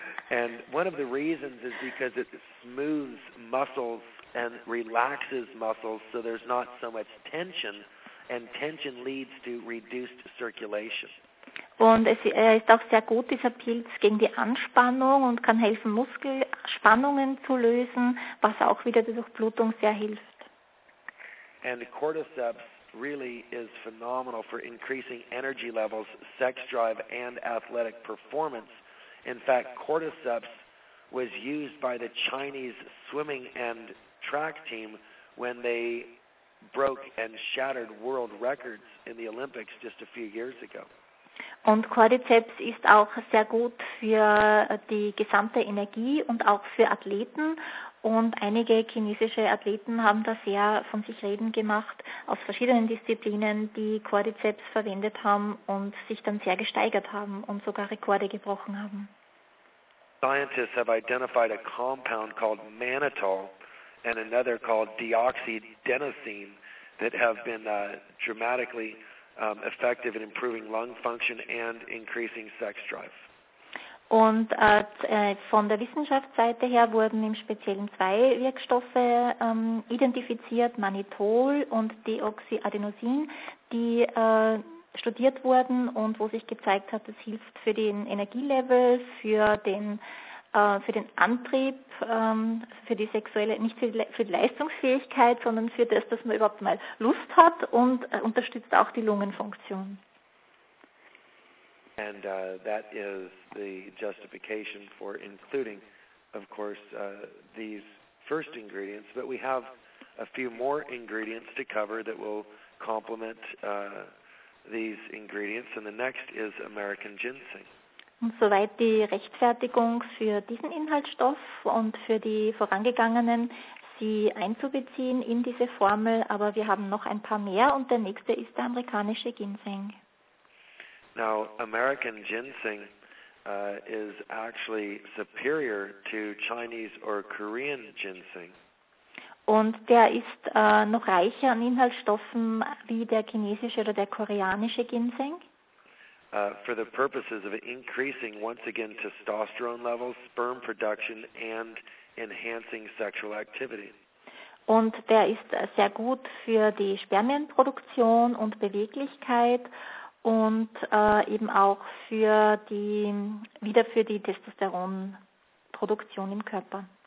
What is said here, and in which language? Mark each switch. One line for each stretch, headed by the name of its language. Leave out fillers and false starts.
English: And one of the reasons is because it smooths muscles and relaxes muscles, so there's not so much tension, and tension leads to reduced circulation.
German: Und es ist auch sehr gut, dieser Pilz, gegen die Anspannung und kann helfen, Muskelspannungen zu lösen, was auch wieder der Durchblutung sehr hilft.
English: And cordyceps really is phenomenal for increasing energy levels, sex drive and athletic performance. In fact, cordyceps was used by the Chinese swimming and track team when they broke and shattered world records in the Olympics just a few years ago.
German: Und Cordyceps ist auch sehr gut für die gesamte Energie und auch für Athleten. Und einige chinesische Athleten haben da sehr von sich reden gemacht aus verschiedenen Disziplinen, die Cordyceps verwendet haben und sich dann sehr gesteigert haben und sogar Rekorde gebrochen haben.
English: Scientists have identified a compound called mannitol and another called deoxydenosine that have been dramatically effective in improving lung function and increasing sex drive.
German: Und von der Wissenschaftsseite her wurden im Speziellen zwei Wirkstoffe identifiziert, Mannitol und Deoxyadenosin, die studiert wurden und wo sich gezeigt hat, es hilft für den Energielevel, für den Antrieb, für die sexuelle, nicht für die Leistungsfähigkeit, sondern für das, dass man überhaupt mal Lust hat und unterstützt auch die Lungenfunktion.
English: And that is the justification for including, of course, these first ingredients, but we have a few more ingredients to cover that will complement these ingredients, and the next is American ginseng.
German: Und soweit die Rechtfertigung für diesen Inhaltsstoff und für die vorangegangenen, sie einzubeziehen in diese Formel, aber wir haben noch ein paar mehr und der nächste ist der amerikanische Ginseng.
English: Now, American Ginseng is actually superior to Chinese or Korean Ginseng.
German: Und der ist noch reicher an Inhaltsstoffen wie der chinesische oder der koreanische Ginseng.
English: For the purposes of increasing, once again, testosterone levels, sperm production, and enhancing sexual activity.
German: Und der ist sehr gut für die Spermienproduktion und Beweglichkeit und eben auch wieder für die Testosteronproduktion im Körper.